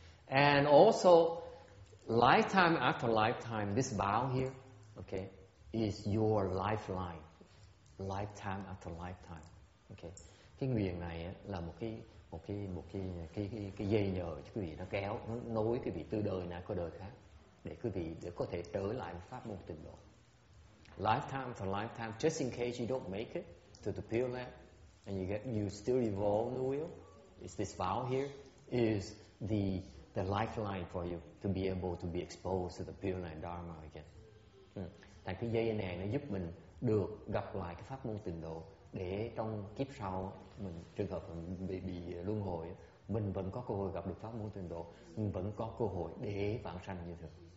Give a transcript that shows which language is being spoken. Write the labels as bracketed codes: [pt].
[en] And also, lifetime after lifetime, this vow here, okay, is your lifeline. Lifetime after lifetime. Okay. [vi] Cái nguyện này là một cái dây nhờ cho quý vị, nó kéo, nó nối quý vị từ đời này qua đời khác để quý vị để có thể trở lại pháp môn tịnh độ. [en] lifetime for lifetime, just in case you don't make it to the Pure Land, and you get, you still evolve the wheel. It's this vow here is the lifeline for you to be able to be exposed to the Pure Land Dharma again. [vi] Tại cái dây này nó giúp mình được gặp lại cái pháp môn tịnh độ để trong kiếp sau mình trường hợp mình bị luân hồi, mình vẫn có cơ hội gặp được pháp môn tịnh độ, mình vẫn có cơ hội để vãng sanh như thường.